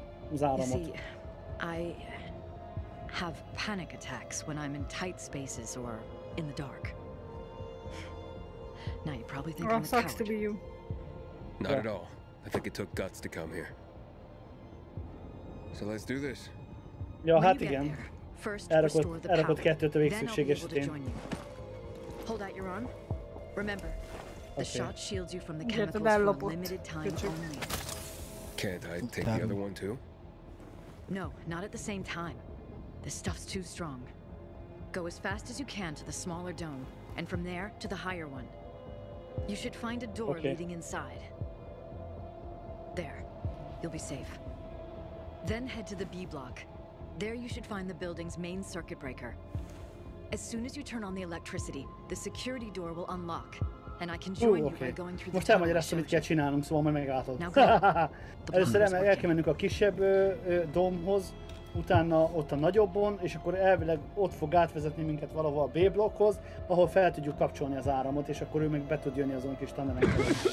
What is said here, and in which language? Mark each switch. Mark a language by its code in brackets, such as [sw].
[en] You see, I have panic attacks when I'm in tight spaces or in the dark. Now you probably think I'm a coward. Sucks to be you. Not at all. I think it took guts to come here. So let's do this. [hu] Ja, hát igen. Elrakott kettőt a végszükség esetén. [en] Hold out your arm. Remember. The shot shields you from the chemicals for a limited time only. Can't I take the other one too? No, not at the same time. This stuff's too strong. Go as fast as you can to the smaller dome, and from there to the higher one. You should find a door leading inside. There, you'll be safe. Then head to the B block. There you should find the building's main circuit breaker. As soon as you turn on the electricity, the security door will unlock. And I can join you by going through [hu] most elmagyaráztam, mit kell csinálnunk, szóval majd meglátod. Először el kell mennünk a kisebb domhoz, utána ott a nagyobbon, és akkor elvileg ott fog átvezetni minket valahol a B blokkhoz, ahol fel tudjuk kapcsolni az áramot, és akkor ő meg be tud jönni azon kis tanemekkel.